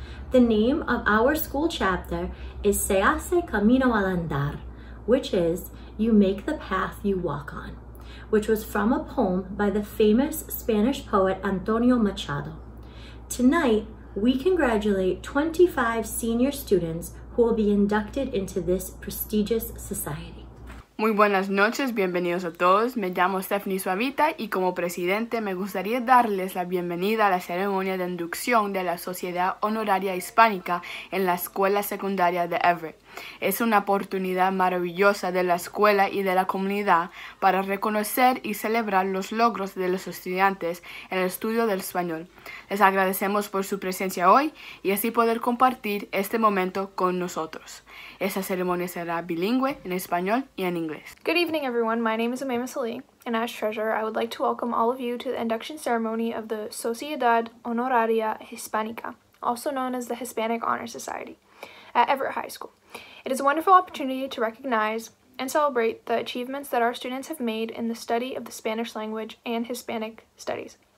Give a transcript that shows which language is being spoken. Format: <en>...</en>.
<en>The name of our school chapter is Se Hace Camino al Andar, which is, you make the path you walk on, which was from a poem by the famous Spanish poet Antonio Machado. Tonight, we congratulate 25 senior students who will be inducted into this prestigious society.</en> <es>Muy buenas noches, bienvenidos a todos. Me llamo Stephanie Suavita y como presidente me gustaría darles la bienvenida a la ceremonia de inducción de la Sociedad Honoraria Hispánica en la Escuela Secundaria de Everett. Es una oportunidad maravillosa de la escuela y de la comunidad para reconocer y celebrar los logros de los estudiantes en el estudio del español. Les agradecemos por su presencia hoy y así poder compartir este momento con nosotros. Esa ceremonia será bilingüe en español y en inglés.</es> <en>Good evening, everyone. My name is Amema Salih, and as treasurer, I would like to welcome all of you to the induction ceremony of the Sociedad Honoraria Hispánica, also known as the Hispanic Honor Society, at Everett High School. It is a wonderful opportunity to recognize and celebrate the achievements that our students have made in the study of the Spanish language and Hispanic studies.</en>